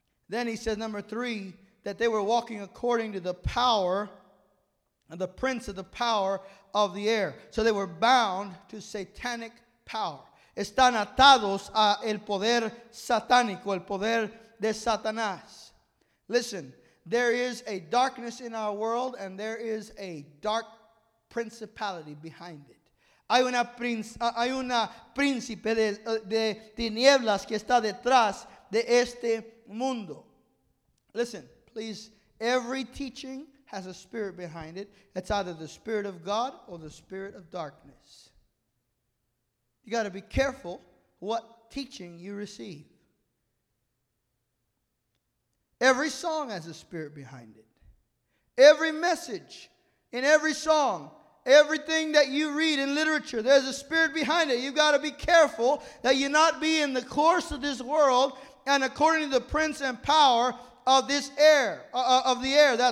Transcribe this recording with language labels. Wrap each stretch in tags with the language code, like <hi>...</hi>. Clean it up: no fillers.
<en>Then he says, number three, that they were walking according to the power and the prince of the power of the air. So they were bound to satanic power.</en> <es>Están atados a el poder satánico, el poder de Satanás.</es> <en>Listen, there is a darkness in our world and there is a dark principality behind it.</en> <es>Hay una príncipe de tinieblas que está detrás de este mundo.</es> <en>Listen, please, every teaching has a spirit behind it. It's either the spirit of God or the spirit of darkness. You got to be careful what teaching you receive. Every song has a spirit behind it. Every message in every song, everything that you read in literature, there's a spirit behind it. You got to be careful that you not be in the course of this world and according to the prince and power of this air, of the air.</en>